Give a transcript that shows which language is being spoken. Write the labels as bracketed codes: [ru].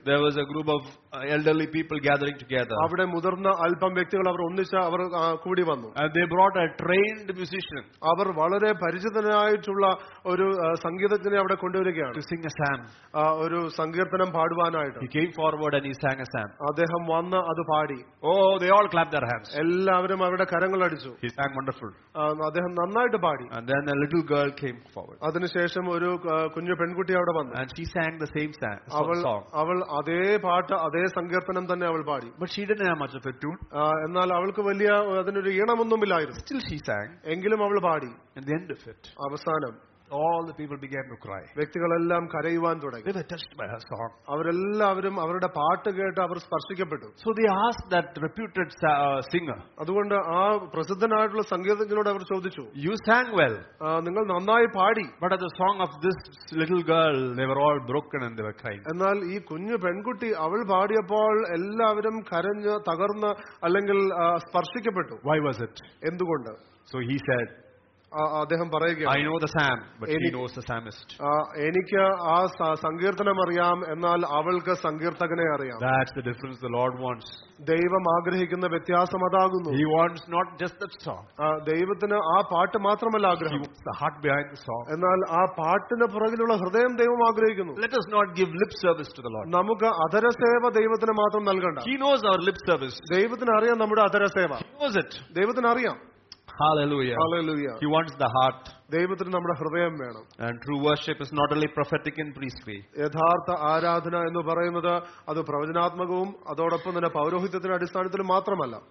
[en] there was a group of elderly people gathering together. [ml] അവിടെ മുതിർന്ന അല്പം വ്യക്തികൾ അവർ ഒന്നിച്ച് അവർ കൂടി വന്നു. [en] They brought a trained musician. [ml] അവർ വളരെ പരിചിതനായിട്ടുള്ള ഒരു സംഗീതജ്ഞനെ അവിടെ കൊണ്ടുവരികയാണ്. [en] To sing a psalm. [ml] ഒരു സങ്കീർത്തനം പാടുവാനായിട്ട്. [en] He came forward and he sang a psalm. [ml] അദ്ദേഹം വന്ന് അത് പാടി. [en] Oh, they all clapped their hands. [ml] എല്ലാവരും അവരുടെ കരങ്ങൾ അടിച്ചു. [en] He sang wonderful. [ml] അദ്ദേഹം നന്നായിട്ട് പാടി. [en] And then a little girl came forward. [ml] അതിനുശേഷം ഒരു കുഞ്ഞു പെൺകുട്ടി അവിടെ വന്നു. [en] And she sang the same song. [ml] അവൾ അതേ പാട്ട് അതേ സങ്കീർത്തനം തന്നെ അവൾ പാടി. [en] But she didn't have much of a tune. [ml] എന്നാൽ അവൾക്ക് വലിയ അതിനൊരു ഈണമൊന്നുമില്ലായിരുന്നു. [en] Still she sang. [ml] എങ്കിലും അവൾ പാടി. [en] And the end of it. [ml] അവസാനം. [en] all the people began to cry. [ml] വ്യക്തികളെല്ലാം കരയുവാൻ തുടങ്ങി. [en] They were touched by her song. [ml] അവരെല്ലാവരും അവരുടെ പാട്ട് കേട്ട് അവർ സ്പർശിക്കപ്പെട്ടു. [en] So they asked that reputed singer. [ml] അതുകൊണ്ട് ആ പ്രസിദ്ധനായിട്ടുള്ള സംഗീതജ്ഞനോട് അവർ ചോദിച്ചു. [en] You sang well. [ml] നിങ്ങൾ നന്നായി പാടി. [en] But at the song of this little girl, they were all broken and they were crying. [ml] എന്നാൽ ഈ കുഞ്ഞു പെൺകുട്ടി അവൾ പാടിയപ്പോൾ എല്ലാവരും കരഞ്ഞ് തകർന്ന് അല്ലെങ്കിൽ സ്പർശിക്കപ്പെട്ടു. [en] Why was it? [ml] എന്തുകൊണ്ട്? [en] So he said, [ml] അദ്ദേഹം പറയുകയാണ്, [en] I know the psalm, but he knows the psalmist. [ml] എനിക്ക് ആ സങ്കീർത്തനം അറിയാം, എന്നാൽ അവൾക്ക് സങ്കീർത്തകനെ അറിയാം. [en] That's the difference the Lord wants. [ml] ദൈവം ആഗ്രഹിക്കുന്ന വ്യത്യാസം അതാകുന്നു. [en] He wants not just the song. [ml] ദൈവത്തിന് ആ പാട്ട് മാത്രമല്ല ആഗ്രഹം. [en] He wants the heart behind the song. [ml] എന്നാൽ ആ പാട്ടിന് പുറകിലുള്ള ഹൃദയം ദൈവം ആഗ്രഹിക്കുന്നു. [en] Let us not give lip service to the Lord. [ml] നമുക്ക് അധര സേവ ദൈവത്തിന് മാത്രം നൽകണ്ട. [en] He knows our lip service. [ml] ദൈവത്തിന് അറിയാം നമ്മുടെ അധര സേവ. [en] He knows it. [ml] ദൈവത്തിന് അറിയാം. [en] Hallelujah. Hallelujah. He wants the heart. [ml] ദൈവത്തിന് നമ്മുടെ ഹൃദയം വേണം. [en] And true worship is not only prophetic and priestly. [ml] യഥാർത്ഥ ആരാധന എന്ന് പറയുന്നത് അത് പ്രവചനാത്മകവും അതോടൊപ്പം തന്നെ പൗരോഹിത്യത്തിന്റെ അടിസ്ഥാനത്തിലും മാത്രമല്ല.